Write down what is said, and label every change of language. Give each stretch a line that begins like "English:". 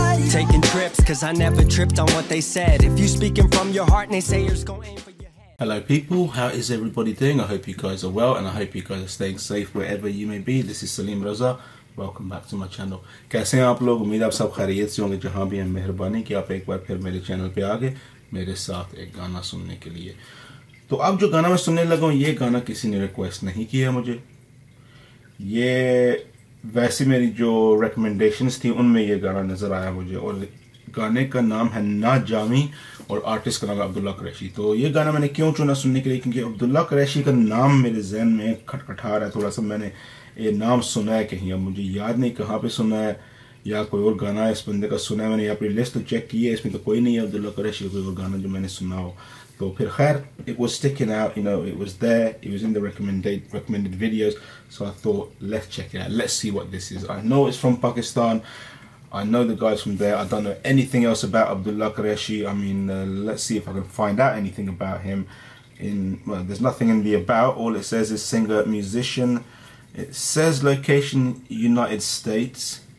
English: taking trips, cause I never tripped on what they said. If you speaking from your heart and they say you're just gonna aim for your head. Hello people, how is everybody doing? I hope you guys are well and I hope you guys are staying safe wherever you may be. This is Salim Raza. Welcome back to my channel.
Hindi: कैसे हैं आप लोग? उम्मीद आप सब खैरियत से होंगे जहां भी हैं. मेहरबानी कि आप एक बार फिर मेरे चैनल पे आ गए मेरे साथ एक गाना सुनने के लिए. तो अब जो गाना मैं सुनने लगा हूं, ये गाना किसी ने रिक्वेस्ट नहीं किया मुझे. ये वैसे मेरी जो रिकमेंडेशंस थी उनमें ये गाना नजर आया मुझे, और गाने का नाम है ना जावीं और आर्टिस्ट का नाम है अब्दुल्ला कुरैशी. तो ये गाना मैंने क्यों चुना सुनने के लिए, क्योंकि अब्दुल्ला कुरैशी का नाम मेरे जहन में खटखटा रहा है थोड़ा सा. मैंने ये नाम सुना है कहीं, अब मुझे याद नहीं कहाँ पे सुना है या कोई और गाना है इस बंदे का सुना है. मैंने अपनी लिस्ट तो चेक की है, इसमें तो कोई नहीं है अब्दुल्ला कुरैशी कोई और गाना जो मैंने सुना हो. तो फिर खैर,
English: It was sticking out, you know, it was there, it was in the recommended videos, so I thought let's check it out, let's see what this is. I know it's from Pakistan, I know the guys from there. I don't know anything else about Abdullah Qureshi. I mean, let's see if I can find out anything about him. There's nothing in the about. All it says is singer, musician. It says location, United States.